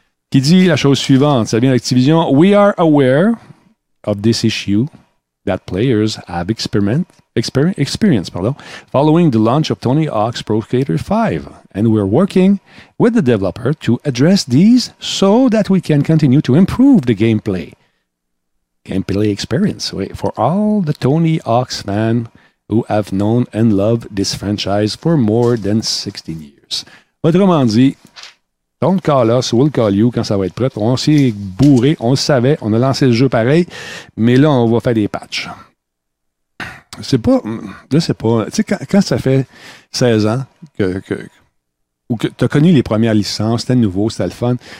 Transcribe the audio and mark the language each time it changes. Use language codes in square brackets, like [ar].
[fr] Qui dit la chose suivante, ça vient d'Activision. [en] We are aware of this issue that players have experienced, following the launch of Tony Hawk's Pro Skater 5. And we're working with the developer to address these so that we can continue to improve the gameplay experience. Wait, for all the Tony Hawk's fans who have known and loved this franchise for more than 16 years. [fr] Autrement dit, [en] Don't call us, we'll call you [fr] quand ça va être prêt. On s'est bourré, on le savait, on a lancé le jeu pareil, mais là, on va faire des patchs. C'est pas. Je sais pas. Tu sais, quand ça fait 16 ans que tu as connu les premières licences, c'était nouveau, c'était le fun.